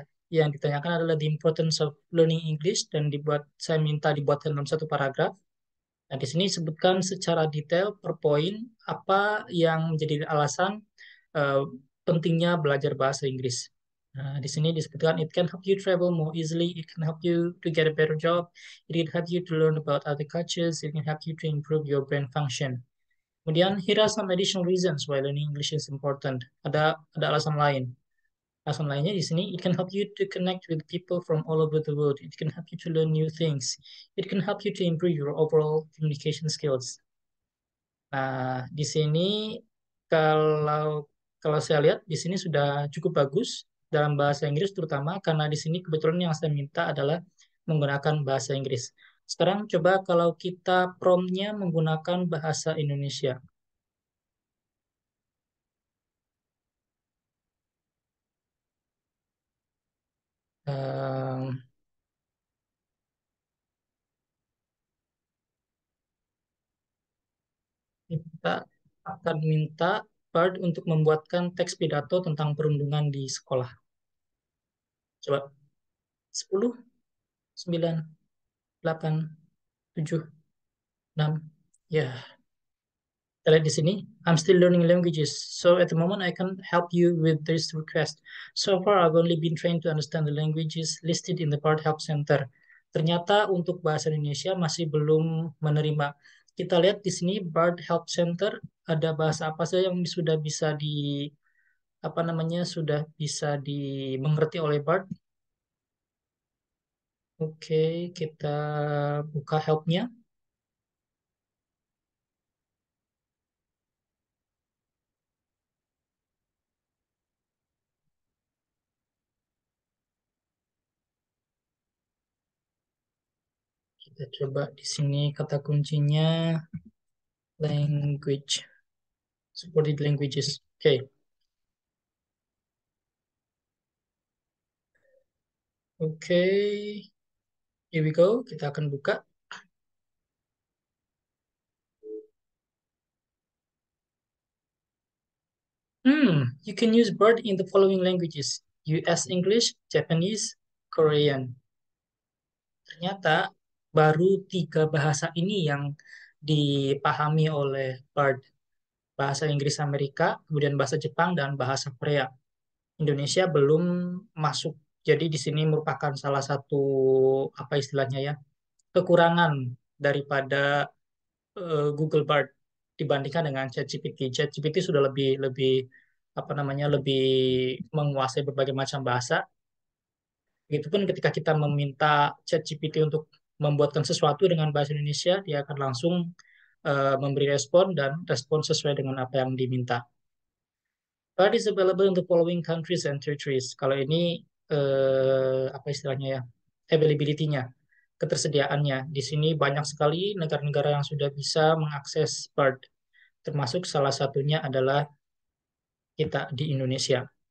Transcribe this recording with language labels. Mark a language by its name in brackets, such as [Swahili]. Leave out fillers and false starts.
[Indonesian] yang ditanyakan adalah [English] the importance of learning English, [Indonesian] dan dibuat saya minta dibuatkan dalam satu paragraf. Nah, di sini sebutkan secara detail per poin apa yang menjadi alasan pentingnya belajar bahasa Inggris. Nah, di sini disebutkan [English] it can help you travel more easily, it can help you to get a better job, it can help you to learn about other cultures, it can help you to improve your brain function. Kemudian, here are some additional reasons why learning English is important. [Indonesian] Ada alasan lain. Alasan lainnya di sini, [English] it can help you to connect with people from all over the world. It can help you to learn new things. It can help you to improve your overall communication skills. [Indonesian] Nah, di sini kalau kalau saya lihat di sini sudah cukup bagus dalam bahasa Inggris, terutama karena di sini kebetulan yang saya minta adalah menggunakan bahasa Inggris. Sekarang coba kalau kita promptnya menggunakan bahasa Indonesia. Kita akan minta Bard untuk membuatkan teks pidato tentang perundungan di sekolah. Coba. 10, 9, 8, 7, 6. Ya. Yeah. Kita lihat di sini. [English] I'm still learning languages. So at the moment, I can't help you with this request. So far, I've only been trained to understand the languages listed in the Bard Help Center. [Indonesian] Ternyata untuk bahasa Indonesia masih belum menerima. Kita lihat di sini Bard Help Center ada bahasa apa saja yang sudah bisa di apa namanya sudah bisa dimengerti oleh Bard. Oke, kita buka helpnya. Kita coba di sini kata kuncinya language supported languages. Oke. Okay. [English] Okay. Here we go. [Indonesian] Kita akan buka. [English] You can use Bard in the following languages: US English, Japanese, Korean. [Indonesian] Ternyata baru tiga bahasa ini yang dipahami oleh Bard. Bahasa Inggris Amerika, kemudian bahasa Jepang, dan bahasa Korea. Indonesia belum masuk. Jadi di sini merupakan salah satu, apa istilahnya ya, kekurangan daripada Google Bard dibandingkan dengan ChatGPT. ChatGPT sudah lebih lebih apa namanya lebih menguasai berbagai macam bahasa. Begitupun ketika kita meminta ChatGPT untuk membuatkan sesuatu dengan bahasa Indonesia, dia akan langsung memberi respon dan respon sesuai dengan apa yang diminta. [English] Bard is available in the following countries and territories. [Indonesian] Kalau ini apa istilahnya ya, availability-nya, ketersediaannya. Di sini banyak sekali negara-negara yang sudah bisa mengakses Bard, termasuk salah satunya adalah kita di Indonesia.